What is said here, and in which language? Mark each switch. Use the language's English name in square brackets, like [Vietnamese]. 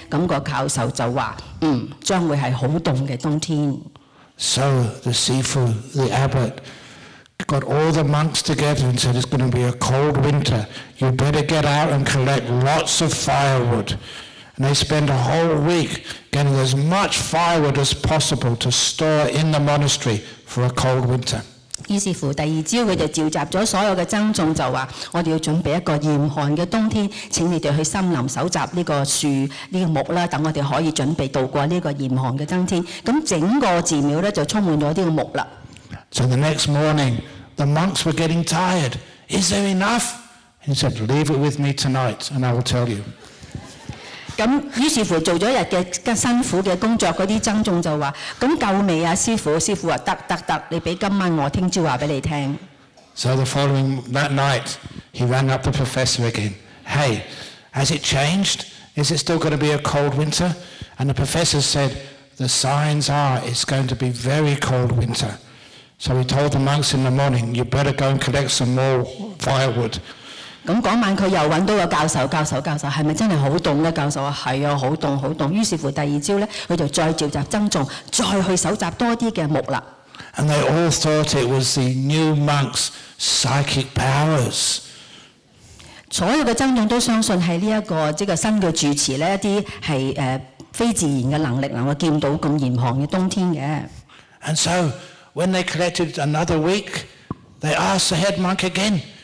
[Cantonese] 咁個教授就話：嗯，將會係好凍嘅冬天。 [English] So the sifu, the abbot, got all the monks together and said, "It's going to be a cold winter. You better get out and collect lots of firewood." And they spend a whole week getting as much firewood as possible to store in the monastery for a cold winter. [Cantonese] 於是乎，第二朝佢就召集咗所有嘅僧眾，就話：我哋要準備一個嚴寒嘅冬天，請你哋去森林搜集呢個樹、呢個木啦，等我哋可以準備度過呢個嚴寒嘅冬天。咁整個寺廟咧就充滿咗呢個木啦。 [English] So the next morning, the monks were getting tired. Is there enough? He said, "Leave it with me tonight, and I will tell you." [Cantonese] 咁於是乎做咗日嘅辛苦嘅工作，嗰啲僧眾就話：咁夠未啊，師傅？師傅話：得，你俾今晚我，聽朝話俾你聽。 [English] So the following that night, he rang up the professor again. Hey, has it changed? Is it still going to be a cold winter? And the professor said, "The signs are it's going to be very cold winter." So he told the monks in the morning, "You better go and collect some more firewood." [Cantonese] 咁嗰晚佢又揾到個教授，係咪真係好凍咧？教授話：係啊，好凍。於是乎第二朝咧，佢就再召集僧眾，再去搜集多啲嘅木啦。 [English] And they all thought it was the new monk's psychic powers. [Cantonese] 所有嘅僧眾都相信係呢一個即係新嘅住持咧，一啲係非自然嘅能力，能夠見到咁嚴寒嘅冬天嘅。 [English] And so when they collected another week, they asked the head monk again.